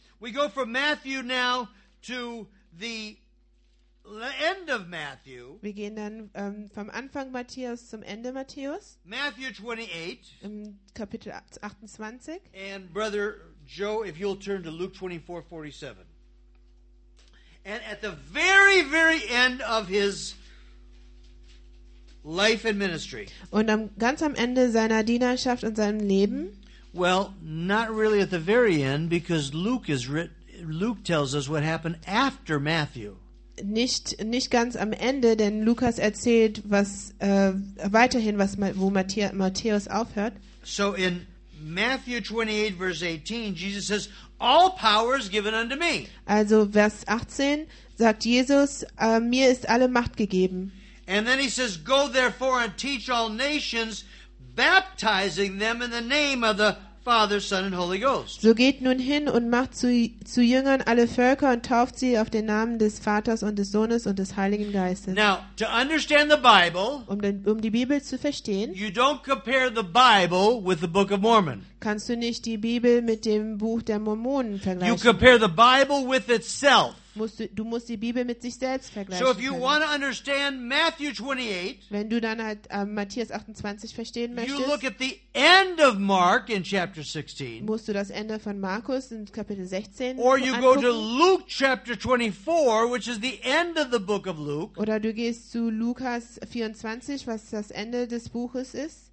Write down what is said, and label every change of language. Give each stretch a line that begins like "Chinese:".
English: We go from Matthew now to the end of Matthew.
German: Wir gehen dann vom Anfang Matthäus zum Ende Matthäus.
English: Matthew 28.
German: Im Kapitel 28.
English: And Brother Joe, if you'll turn to Luke 24:47. And at the very, very end of his life and ministry.
German: Und ganz am Ende seiner Dienerschaft und seinem Leben.
English: Well, not really at the very end, because Luke tells us what happened after Matthew.
German: Nicht ganz am Ende, denn Lukas erzählt wo Matthäus aufhört.
English: So in Matthew 28 verse 18, Jesus says, "All power is given unto me."
German: Also Vers 18 sagt Jesus, mir ist alle Macht gegeben.
English: And then he says, "Go therefore and teach all nations, baptizing them in the name of the Father, Son, and Holy Ghost.
German: So geht nun hin und macht zu Jüngern alle Völker und tauft sie auf den Namen des Vaters und des Sohnes und des Heiligen Geistes.
English: Now, to understand the Bible,
German: um die Bibel zu verstehen,
English: you don't compare the Bible with the Book of Mormon.
German: Kannst du nicht die Bibel mit dem Buch der Mormonen vergleichen.
English: You compare the Bible with itself.
German: Du musst die Bibel mit sich selbst vergleichen.
English: So if you want to understand Matthew 28,
German: wenn du dann halt Matthäus 28 verstehen möchtest,
English: you look at the end of Mark in chapter 16,
German: musst du das Ende von Markus in Kapitel 16
English: or you
German: angucken.
English: Go to Luke chapter 24, which is the end of the book of Luke.
German: Oder du gehst zu Lukas 24, was das Ende des Buches ist.